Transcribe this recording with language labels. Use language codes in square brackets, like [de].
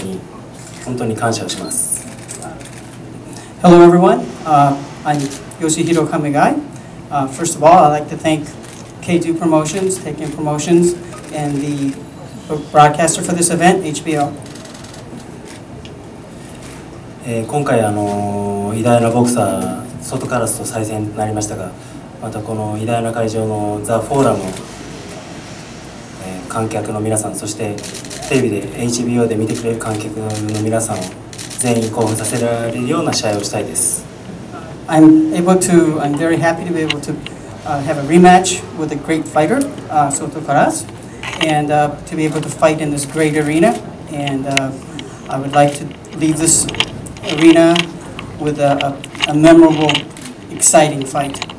[ja] 皆さんこんにちは。亀貝義弘です。まずはゴールデンボーイプロモーションズ、K2プロモーションズ、定権プロモーションズ、そして今回放送してもらえるHBOに本当に感謝をします。 [en] Hello everyone. I'm Yoshihiro Kamegai. First of all, I'd like to thank K2 Promotions, Take-In Promotions, and the broadcaster for this event, HBO. [ja] 今回偉大なボクサー、ソトカラスと再戦になりましたが、またこの偉大な会場のザ・フォーラム、観客の皆さん、そしてテレビでHBOで見てくれる観客の皆さんを全員興奮させられるような試合をしたいです。 [en] I'm very happy to have a rematch with a great fighter, Soto Karass, and to be able to fight in this great arena. And I would like to leave this arena with a memorable, exciting fight.